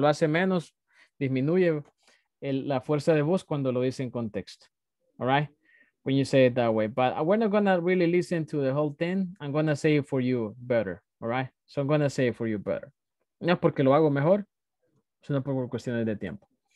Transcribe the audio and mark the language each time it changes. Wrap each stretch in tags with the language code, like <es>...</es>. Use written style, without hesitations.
<es>Lo hace menos, disminuye la fuerza de voz cuando lo dice en contexto,</es> <en>all right? When you say it that way, but we're not gonna really listen to the whole thing. I'm gonna say it for you better, all right? So I'm gonna say it for you better.</en> <es>No porque lo hago mejor, sino por cuestiones de tiempo.</es>